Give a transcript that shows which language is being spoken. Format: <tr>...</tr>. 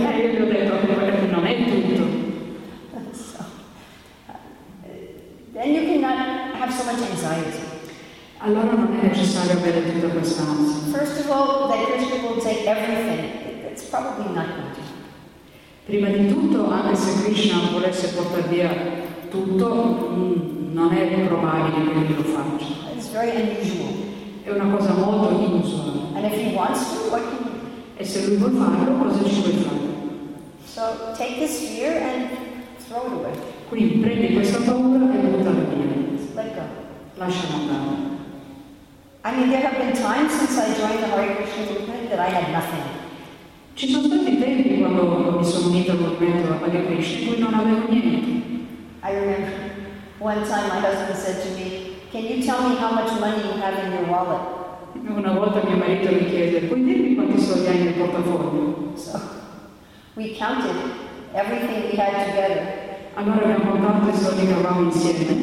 <it>E io gli ho detto, non è tutto.</it> <en>So, then you cannot have so much anxiety.</en> <it>Allora non è necessario avere tutta questa ansia.</it> <en>First of all, that Krishna will take everything. It's probably not going to.</en> <it>Prima di tutto, anche se Krishna volesse portare via tutto, non è probabile che lui lo faccia.</it> <en>It's very unusual.</en> <it>È una cosa molto inusuale.</it> <en>And if he wants to, what can...</en> <it>E se lui vuole farlo, cosa ci vuoi fare?</it> <en>So take this fear and throw it away.</en> <it>Quindi prendi questa paura e buttala via.</it> <en>Let go.</en> <it>Lasciala andare.</it> <en>I mean, there have been times since I joined the Hare Krishna movement that I had nothing.</en> <it>Ci sono stati tempi quando mi sono unita al movimento della Hare Krishna in cui non avevo niente.</it> <en>I remember one time my husband said to me, can you tell me how much money you have in your wallet?</en> <it>Una volta mio marito mi chiese, puoi dirmi quanti soldi hai nel portafoglio?</it> <en>So, we counted everything we had together.</en> <it>Allora abbiamo contato i soldi che avevamo insieme.</it>